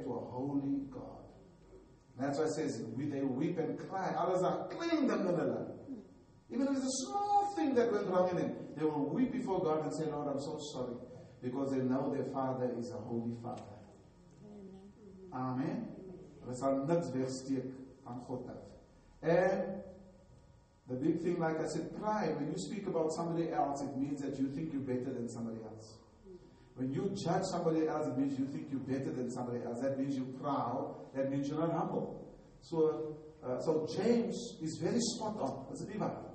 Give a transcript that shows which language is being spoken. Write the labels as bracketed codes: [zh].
[en] To a holy God. And that's why it says, they weep and cry. Others are clean them. Even if it's a small thing that went wrong in them, they will weep before God and say, Lord, I'm so sorry. Because they know their Father is a holy Father. Amen. [af] Dat zal niks wegsteek van God af. [en] En the big thing, like I said, pride, when you speak about somebody else, it means that you think you're better than somebody else. When you judge somebody else, it means you think you're better than somebody else. That means you're proud. That means you're not humble. So James is very spot on. What's it mean?